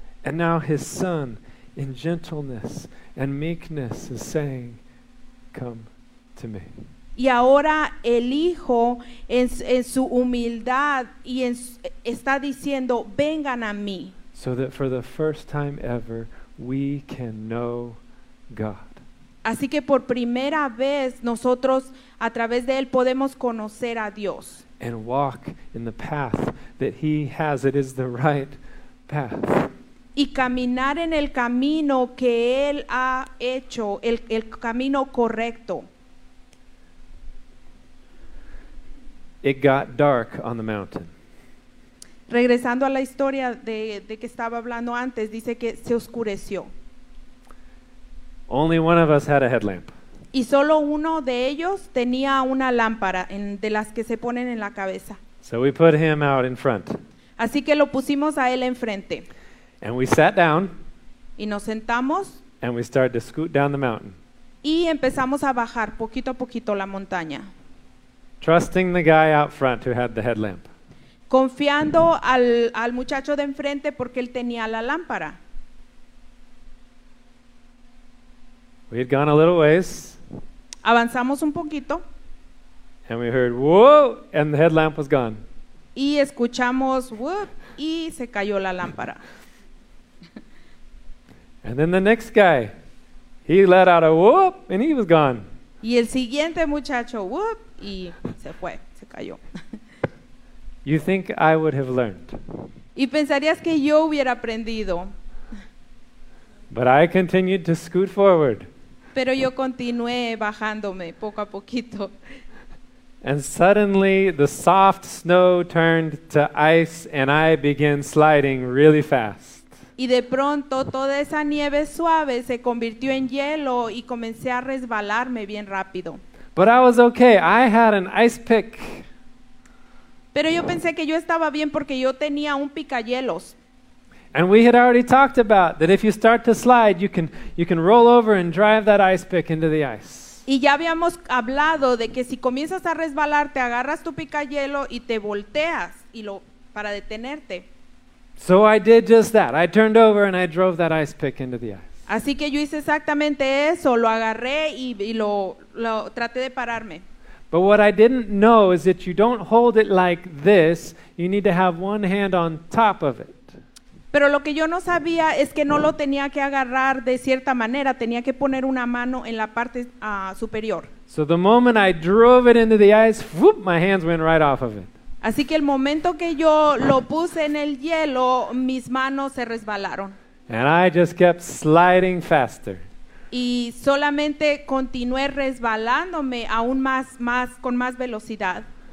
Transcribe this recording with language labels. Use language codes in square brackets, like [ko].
[en] And now his son in gentleness and meekness is saying, come to me. [es] Y ahora el hijo en su humildad y en, está diciendo, vengan a mí. [en] So that for the first time ever we can know God. [es] Así que por primera vez nosotros a través de él podemos conocer a Dios. [en] And walk in the path that he has. It is the right path. [es] Y caminar en el camino que él ha hecho, el camino correcto. [en] It got dark on the mountain. [es] Regresando a la historia de que estaba hablando antes, dice que se oscureció. [en] Only one of us had a headlamp. [es] Y solo uno de ellos tenía una lámpara en, de las que se ponen en la cabeza. [en] So we put him out in front. [es] Así que lo pusimos a él enfrente. [en] And we sat down. [es] Y nos sentamos. [en] And we started to scoot down the mountain. [es] Y empezamos a bajar poquito a poquito la montaña. [en] Trusting the guy out front who had the headlamp. [es] Confiando al muchacho de enfrente porque él tenía la lámpara. [en] We had gone a little ways. [es] Avanzamos un poquito. [en] And we heard whoa, and the headlamp was gone. [es] Y escuchamos whoop, y se cayó la lámpara. [en] And then the next guy, he let out a whoop, and he was gone. [es] Y el siguiente muchacho whoop, y se fue, se cayó. [en] You think I would have learned? [es] Y pensarías que yo hubiera aprendido. [en] But I continued to scoot forward. [es] Pero yo continué bajándome poco a poquito. [en] And suddenly the soft snow turned to ice and I began sliding really fast. [es] Y de pronto toda esa nieve suave se convirtió en hielo y comencé a resbalarme bien rápido. [en] But I was okay. I had an ice pick. [es] Pero yo pensé que yo estaba bien porque yo tenía un picahielos. [en] And we had already talked about that if you start to slide, you can roll over and drive that ice pick into the ice. [es] Y ya habíamos hablado de que si comienzas a resbalar, te agarras tu picahielo y te volteas y lo para detenerte. [en] So I did just that. I turned over and I drove that ice pick into the ice. [es] Así que yo hice exactamente eso, lo agarré y lo traté de pararme. [en] But what I didn't know is that you don't hold it like this. You need to have one hand on top of it. [es] Pero lo que yo no sabía es que no lo tenía que agarrar de cierta manera, tenía que poner una mano en la parte superior. [en] So the moment I drove it into the ice, whoop, my hands went right off of it. [es] Así que el momento que yo lo puse en el hielo, mis manos se resbalaron. [en] And I just kept sliding faster. [es] Y solamente continué resbalándome aún más con más velocidad.